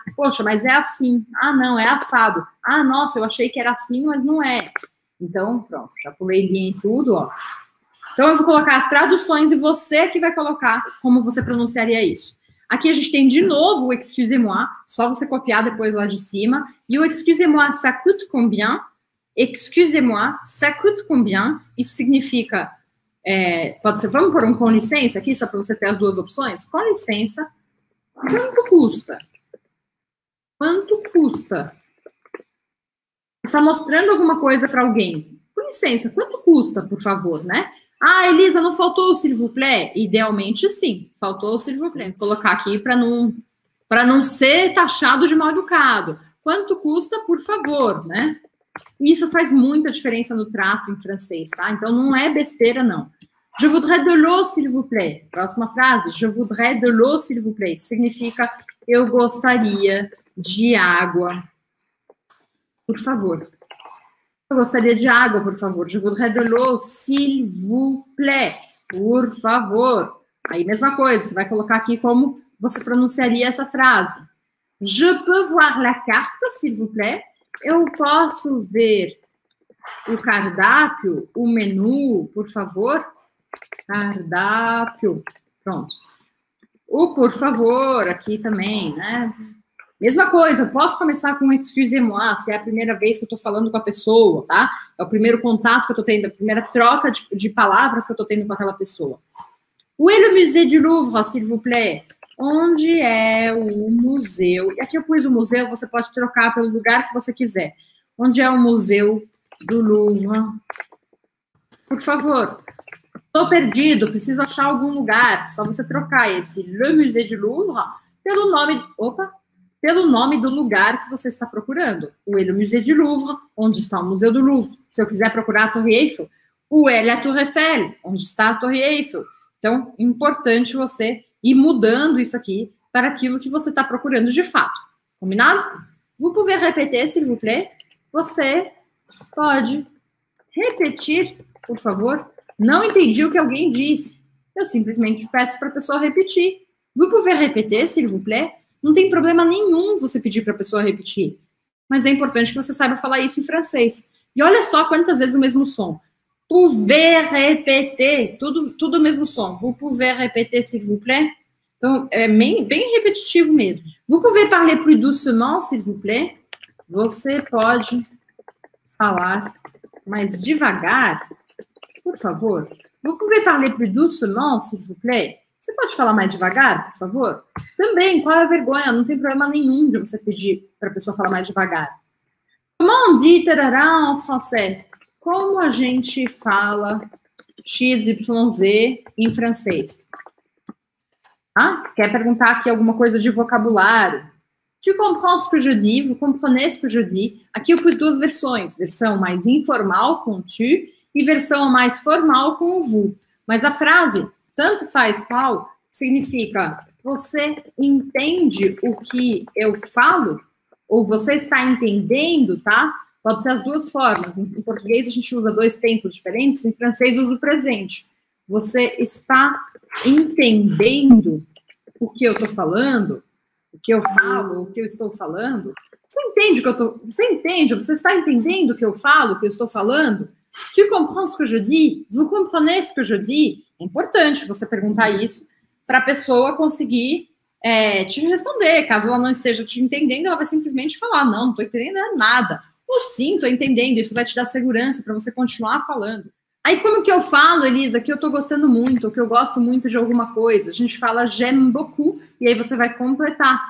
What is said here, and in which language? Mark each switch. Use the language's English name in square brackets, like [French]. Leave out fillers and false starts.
[Portuguese] Poxa, mas é assim. Ah, não, é assado. Ah, nossa, eu achei que era assim, mas não é. Então, pronto, já pulei linha em tudo, ó. Então, eu vou colocar as traduções e você que vai colocar como você pronunciaria isso. Aqui a gente tem de novo o [French] excusez-moi, [Portuguese] só você copiar depois lá de cima. E o [French] excusez-moi, ça coûte combien? Excusez-moi, ça coûte combien? [Portuguese] Isso significa. Pode ser, vamos pôr um com licença aqui, só para você ter as duas opções? Com licença. Quanto custa? Quanto custa? Está mostrando alguma coisa para alguém? Com licença, quanto custa, por favor, né? Ah, Elisa, não faltou o [French] s'il vous plaît? [Portuguese] Idealmente, sim, faltou o [French] s'il vous plaît. [Portuguese] Vou colocar aqui para não ser taxado de mal educado. Quanto custa, por favor, né? Isso faz muita diferença no trato em francês, tá? Então não é besteira, não. [French] Je voudrais de l'eau, s'il vous plaît. [Portuguese] Próxima frase. [French] Je voudrais de l'eau, s'il vous plaît. [Portuguese] Isso significa eu gostaria de água. Por favor. Eu gostaria de água, por favor. [French] Je voudrais de l'eau, s'il vous plaît. [Portuguese] Por favor. Aí, mesma coisa. Você vai colocar aqui como você pronunciaria essa frase. [French] Je peux voir la carte, s'il vous plaît. [Portuguese] Eu posso ver o cardápio, o menu, por favor? Cardápio. Pronto. O por favor, aqui também, né? Mesma coisa, eu posso começar com [French] excusez-moi, [Portuguese] se é a primeira vez que eu estou falando com a pessoa, tá? É o primeiro contato que eu estou tendo, a primeira troca de palavras que eu estou tendo com aquela pessoa. [French] Où est le Musée du Louvre, s'il vous plaît? [Portuguese] Onde é o museu? E aqui eu pus o museu, você pode trocar pelo lugar que você quiser. Onde é o museu do Louvre? Por favor, estou perdido, preciso achar algum lugar. Só você trocar esse Le Musée du Louvre pelo nome, opa, pelo nome do lugar que você está procurando. [French] Où est le Musée du Louvre? [Portuguese] Onde está o Museu do Louvre? Se eu quiser procurar a Torre Eiffel, [French] où est la Tour Eiffel? [Portuguese] Onde está a Torre Eiffel? Então, importante você ir mudando isso aqui para aquilo que você está procurando de fato. Combinado? [French] Vous pouvez répéter, s'il vous plaît? [Portuguese] Você pode repetir, por favor? Não entendi o que alguém disse. Eu simplesmente peço para a pessoa repetir. [French] Vous pouvez répéter, s'il vous plaît? [Portuguese] Não tem problema nenhum você pedir para a pessoa repetir. Mas é importante que você saiba falar isso em francês. E olha só quantas vezes o mesmo som. [French] Pouvez répéter, [Portuguese] tudo o mesmo som. [French] Vous pouvez répéter, s'il vous plaît? [Portuguese] Então, é bem repetitivo mesmo. [French] Vous pouvez parler plus doucement, s'il vous plaît? [Portuguese] Você pode falar mais devagar, por favor? [French] Vous pouvez parler plus doucement, s'il vous plaît? [Portuguese] Você pode falar mais devagar, por favor? Também, qual é a vergonha? Não tem problema nenhum de você pedir para a pessoa falar mais devagar. [French] Comment dit, tarará, en français? [Portuguese] Como a gente fala X, Y, Z em francês? Ah, quer perguntar aqui alguma coisa de vocabulário? [French] Tu comprends ce que je dis? Vous comprenez ce que je dis? [Portuguese] Aqui eu pus duas versões. Versão mais informal com tu e versão mais formal com o vous. Mas a frase, tanto faz qual, significa você entende o que eu falo? Ou você está entendendo, tá? Pode ser as duas formas. Em português a gente usa dois tempos diferentes, em francês usa o presente. Você está entendendo o que eu estou falando, o que eu falo, o que eu estou falando? Você entende o que eu estou. Você entende? Você está entendendo o que eu falo, o que eu estou falando? [French] Tu comprends ce que je dis? Vous comprenez ce que je dis? [Portuguese] É importante você perguntar isso para a pessoa conseguir te responder. Caso ela não esteja te entendendo, ela vai simplesmente falar: não, não estou entendendo nada. Ou sim, estou entendendo. Isso vai te dar segurança para você continuar falando. Aí, como que eu falo, Elisa, que eu tô gostando muito, ou que eu gosto muito de alguma coisa? A gente fala [French] j'aime beaucoup, [Portuguese] e aí você vai completar.